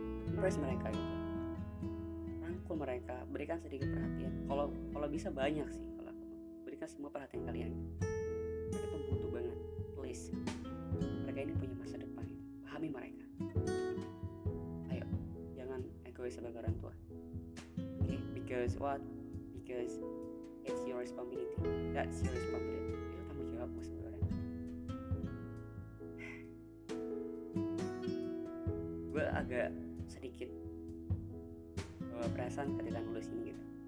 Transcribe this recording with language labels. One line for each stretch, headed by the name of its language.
Indonesian: Impress mereka gitu, rangkul mereka, berikan sedikit perhatian. Kalau bisa banyak sih. Berikan semua perhatian kalian. Mereka tuh butuh banget. Please, mereka ini punya masa depan. Pahami mereka. Ayo, jangan egois sebagai orang tua.
English: Okay? Because what? Because it's your responsibility. That's your responsibility.
Indonesian: Itu tanggung jawab buat sebagai orang tua. Gue agak sedikit perasaan ketika nulis ini gitu.